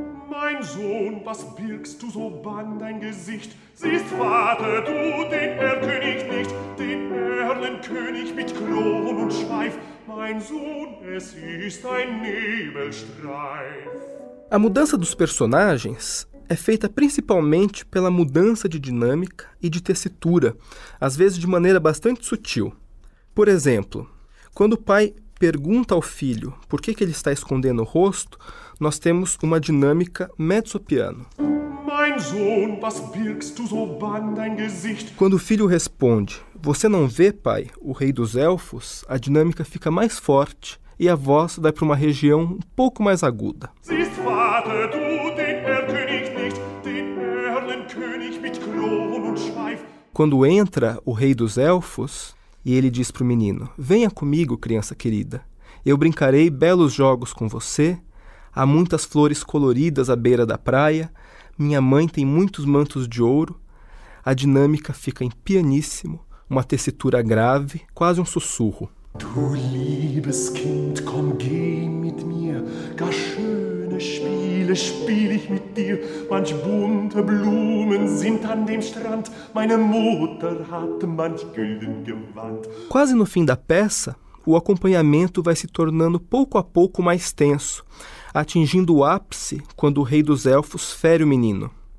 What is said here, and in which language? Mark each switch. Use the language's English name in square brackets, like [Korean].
[German] Mein Sohn, was birgst du so bann dein Gesicht? Siehst, Vater, du den Erlkönig nicht, den Erlenkönig mit Kron und Schweif. Mein Sohn, es ist ein Nebelstreif. [Portuguese] A mudança dos personagens é feita principalmente pela mudança de dinâmica e de tessitura, às vezes de maneira bastante sutil. Por exemplo, quando o pai pergunta ao filho por que ele está escondendo o rosto, nós temos uma dinâmica mezzo-piano. [German] Mein Sohn, was birgst du so bann dein Gesicht? [Portuguese] Quando o filho responde, você não vê, pai, o Rei dos Elfos, a dinâmica fica mais forte e a voz vai para uma região um pouco mais aguda. [German] Siehst, Vater, du den Erlkönig nicht, den Erlenkönig mit Kron und Schweif. [Portuguese] Quando entra o Rei dos Elfos, e ele diz para o menino, venha comigo, criança querida, eu brincarei belos jogos com você, há muitas flores coloridas à beira da praia, minha mãe tem muitos mantos de ouro, a dinâmica fica em pianíssimo, uma tessitura grave, quase um sussurro. [German] Du liebes Kind, komm geh mit mir, gar schöne Spiele spiel ich mit dir, manch bunte Blumen sind an dem Strand, meine Mutter hat manch gülden Gewand. [Portuguese] Quase no fim da peça, o acompanhamento vai se tornando pouco a pouco mais tenso, atingindo o ápice quando o Rei dos Elfos fere o menino.